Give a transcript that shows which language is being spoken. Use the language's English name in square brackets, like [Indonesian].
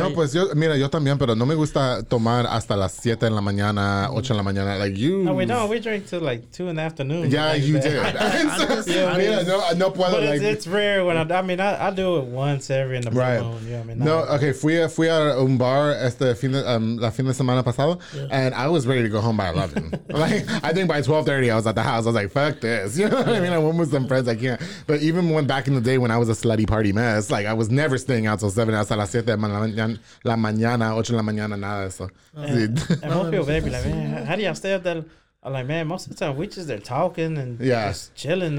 [Spanish] Yo mira, yo también, pero no me gusta tomar hasta las 7 en la mañana, 8 en la mañana. [English] We drink till 2 in the afternoon. Yeah, you did. It's rare when I do it once every in the morning. Right. [Spanish] Fui a un bar la fin de semana pasado, [English] and I was ready to go home by 11. I think by 12:30 I was at the house. I was like, fuck this. You know what I mean? I went with some friends. I can't. But even when back in the day when I was a slutty party mess, I was never staying out till 7. [Spanish] Hasta las 7 la mañana, 8 la mañana, nada eso. [English] And most people be like, man, how do y'all stay up there? I'm like, man, most of the time we just there talking and just chilling.